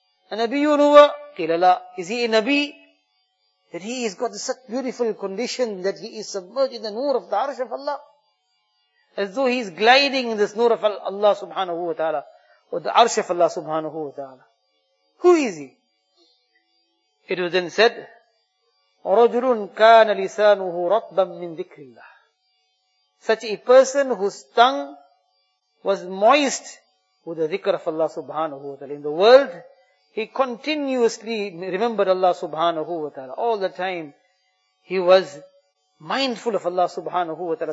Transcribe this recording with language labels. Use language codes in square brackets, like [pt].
[ar] A nabiyun huwa? قِيلَ لَا. [en] Is he a nabi? That he has got such beautiful condition that he is submerged in the noor of the arsh of Allah. As though he is gliding in this noor of Allah subhanahu wa ta'ala. Or the arsh of Allah subhanahu wa ta'ala. Who is he? It was then said, [ar] رَجُلٌ كَانَ لِسَانُهُ رَطْبًا مِّن ذِكْرِ اللَّهِ. [en] Such a person whose tongue was moist with the dhikr of Allah subhanahu wa ta'ala. In the world, he continuously remembered Allah subhanahu wa ta'ala. All the time, he was mindful of Allah subhanahu wa ta'ala.